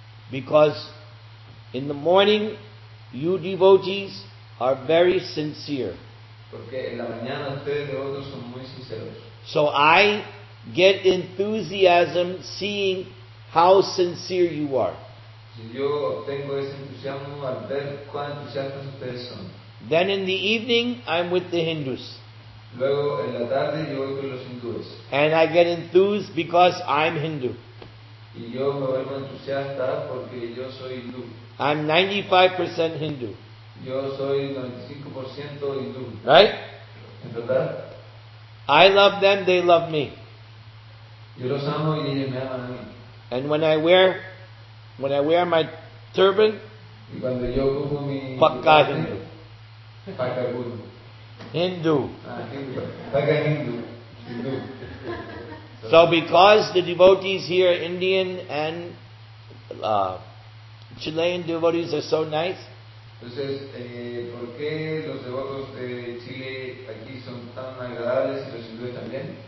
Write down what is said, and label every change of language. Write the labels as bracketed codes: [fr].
[en] Because in the morning, you devotees are very sincere. [es] Porque en la mañana ustedes devotos son muy sinceros. [en] So I get enthusiasm seeing how sincere you are. [es] Yo tengo ese entusiasmo al ver cuán sinceros ustedes son. [en] Then in the evening, I'm with the Hindus. [es] Luego en la tarde, yo voy con los hindúes. [en] And I get enthused because I'm Hindu. [es] Y yo me vuelvo entusiasta porque yo soy hindú. [en] I'm 95% Hindu. [es] Yo soy 95% hindú. [en] Right? [es] ¿Verdad? [en] I love them, they love me. [es] Yo los amo y ellos me aman a mí. [en] And when I wear my turban, [es] y cuando yo cojo mi paca hindú. Paca hindú. [en] Hindu. [es] Paca hindú. Hindú. [en] So because the devotees here, Indian and Chilean devotees, are so nice. [es] Entonces, ¿por qué los devotos de Chile aquí son tan agradables y los hindúes también?